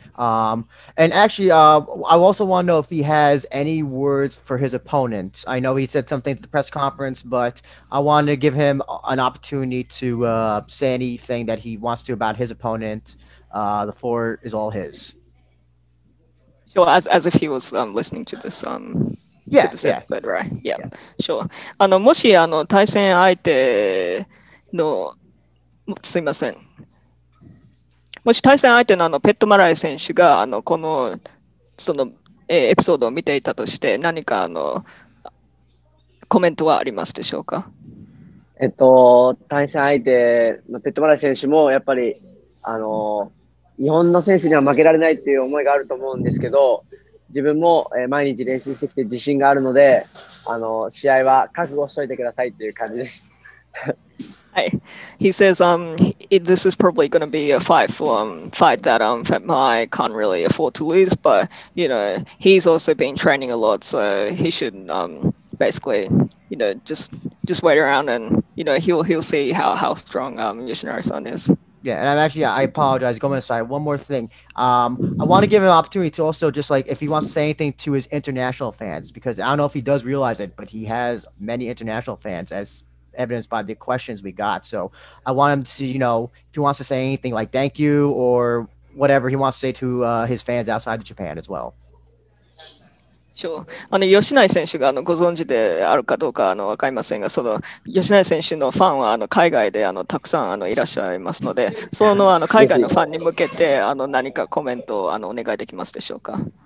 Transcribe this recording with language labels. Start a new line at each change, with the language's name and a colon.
English: And actually, I also want to know if he has any words for his opponent. I know he said something at the press conference, but I want to give him an opportunity to say anything that he wants to about his opponent. The floor is all his. Sure, as if he was listening to this. Yeah, to this episode, yeah. Right? Yeah, yeah, sure.
Japanese: もし対戦相手の、すいません。もし対戦相手 のペットマライ選手がこのその、エピソードを見ていたとして何かコメントはありますでしょうか。対戦相手のペットマライ選手もやっぱり日本の選手には負けられないっていう思いがあると思うんですけど、自分も、毎日練習してきて自信があるので試合は覚悟しておいてくださいっていう感じです。
English: He says, this is probably going to be a fight that Fat Mai can't really afford to lose, but, you know, he's also been training a lot, so he should basically, you know, just wait around and, you know, he'll see how strong Yoshinari-san is. Yeah, and I apologize. Go inside. One more thing. I want to give him an opportunity to also just like, if he wants to say anything to his international fans, because I don't know if he does realize it, but he has many international fans as evidenced by the questions we got. So I want him to, you know, if he wants to say anything like thank you or whatever he wants to say to his fans outside of Japan as well. Sure.
Japanese: 吉内選手がご存知であるかどうか分かりませんが、その吉内選手のファンは海外でたくさんいらっしゃいますので、その海外のファンに向けて何かコメントをお願いできますでしょうか。